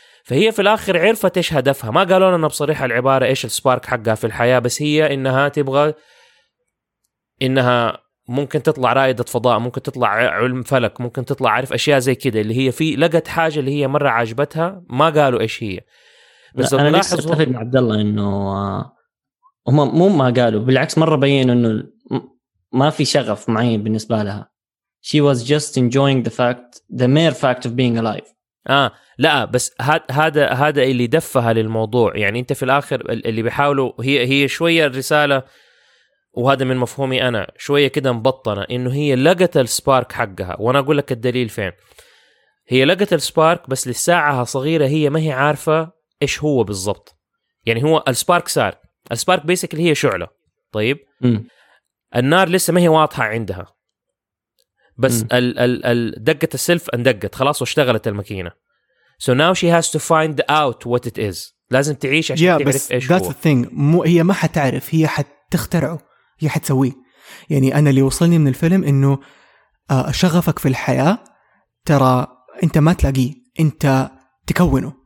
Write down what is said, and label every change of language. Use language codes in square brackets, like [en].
[ar] فهي في الآخر عرفت إيش هدفها، ما قالوا لنا بصريحة العبارة إيش السبارك حقها في الحياة، بس هي إنها تبغى إنها ممكن تطلع رائدة فضاء، ممكن تطلع علم فلك، ممكن تطلع عارف أشياء زي كده، اللي هي في لقت حاجة اللي هي مرة عجبتها، ما قالوا إيش هي. بس أنا لسه أتفق مع عبد الله إنه هم مو ما قالوا، بالعكس مرة بين إنه ما في شغف معين بالنسبة لها، [en] she was just enjoying the fact, the mere fact of being alive. [ar] آه لا بس هذا اللي دفها للموضوع. يعني أنت في الآخر اللي بيحاولوا هي شوية الرسالة, وهذا من مفهومي أنا شوية كده مبطنة, إنه هي لقت السبارك حقها. وأنا أقول لك الدليل فين. هي لقت السبارك بس لساعها صغيرة, هي ما هي عارفة إيش هو بالضبط. يعني هو السبارك صار, السبارك بيسكلي هي شعلة, طيب النار لسه ما هي واضحة عندها, بس دقة السلف اندقت خلاص واشتغلت المكينة. [en] So now she has to find out what it is. [ar] لازم تعيش عشان yeah, تعرف ايش هو [en] the thing. [ar] هي ما حتعرف, هي حتخترعه, هي حتسويه. يعني انا اللي وصلني من الفيلم انه شغفك في الحياة ترى انت ما تلاقيه, انت تكونه.